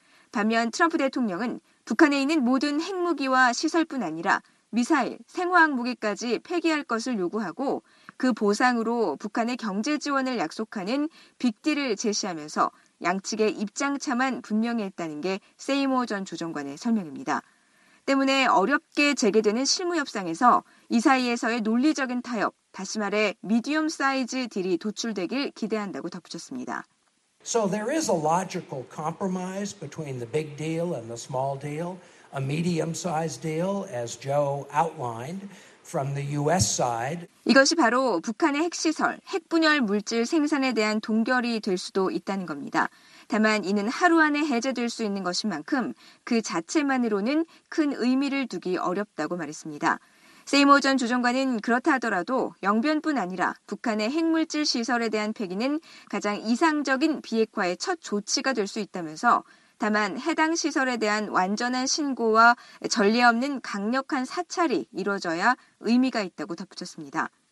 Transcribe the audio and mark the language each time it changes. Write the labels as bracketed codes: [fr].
[ko] 반면 트럼프 대통령은 북한에 있는 모든 핵무기와 시설뿐 아니라 미사일, 생화학무기까지 폐기할 것을 요구하고 그 보상으로 북한의 경제 지원을 약속하는 빅딜을 제시하면서 양측의 입장 차만 분명히 했다는 게 세이모 전 조정관의 설명입니다. 때문에 어렵게 재개되는 실무 협상에서 이 사이에서의 논리적인 타협, 다시 말해 미디엄 사이즈 딜이 도출되길 기대한다고 덧붙였습니다. [en] So there is a logical compromise between the big deal and the small deal, a medium-sized deal as Joe outlined from the US side. [ko] 이것이 바로 북한의 핵시설, 핵분열 물질 생산에 대한 동결이 될 수도 있다는 겁니다. 다만 이는 하루 안에 해제될 수 있는 것인 만큼 그 자체만으로는 큰 의미를 두기 어렵다고 말했습니다. 세이머 전 조정관은 그렇다 하더라도 영변뿐 아니라 북한의 핵물질 시설에 대한 폐기는 가장 이상적인 비핵화의 첫 조치가 될 수 있다면서 다만 해당 시설에 대한 완전한 신고와 전례 없는 강력한 사찰이 이뤄져야 의미가 있다고 덧붙였습니다.